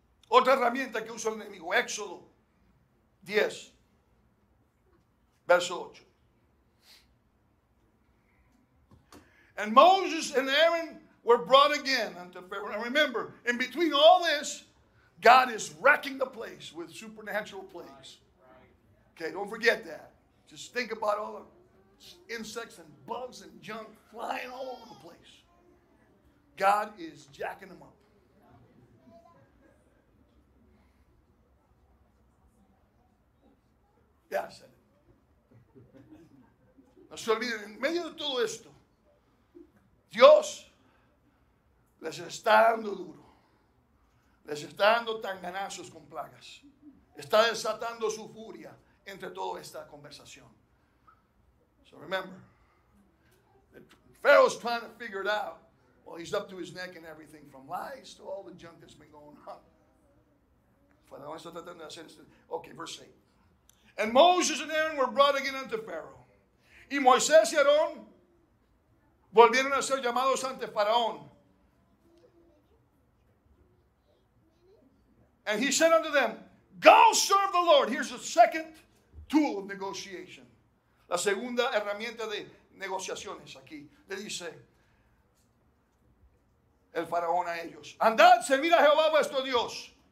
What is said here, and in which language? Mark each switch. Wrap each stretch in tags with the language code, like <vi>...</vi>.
<es>Otra herramienta que usa el enemigo, Éxodo 10, verso 8.</es> <en>And Moses and Aaron were brought again unto Pharaoh. Now remember, in between all this, God is wrecking the place with supernatural plagues. Okay, don't forget that. Just think about all the insects and bugs and junk flying all over the place. God is jacking them up. Yeah, I said it.</en> <es>No se olviden, en medio de todo esto, Dios les está dando duro. Les está dando tanganazos con plagas. Está desatando su furia entre toda esta conversación.</es> <en>So remember, Pharaoh's trying to figure it out. Well, he's up to his neck in everything, from lies to all the junk that's been going on. Okay, verse 8. And Moses and Aaron were brought again unto Pharaoh.</en> <es>Y Moisés y Aarón volvieron a ser llamados ante Faraón.</es> <en>And he said unto them, go serve the Lord. Here's the second tool of negotiation.</en> <es>La segunda herramienta de negociaciones aquí. Le dice el faraón a ellos. Andad, servid a Jehová vuestro Dios.</es>